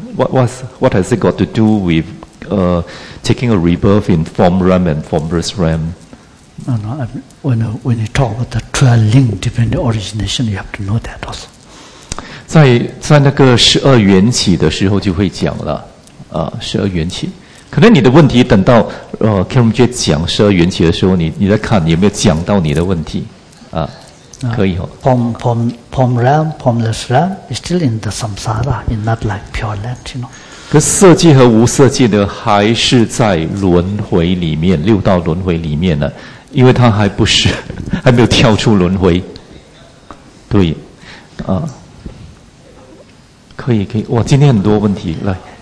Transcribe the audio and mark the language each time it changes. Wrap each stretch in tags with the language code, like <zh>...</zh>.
<en>What has it got to do with taking a rebirth in form realm and formless realm? No, when you talk about the trailing dependent origination, you have to know that also.</en> <zh>在那个十二缘起的时候就会讲了啊，十二缘起。可能你的问题等到Karen J 讲十二缘起的时候，你再看你有没有讲到你的问题啊？可以哦。</zh> <en>Form realm, formless realm is still in the samsara, in not like pure land, you know.</en> <zh>可色界和无色界呢，还是在轮回里面，六道轮回里面呢，因为它还不是还没有跳出轮回。对，啊，可以，哇，今天很多问题来。</zh>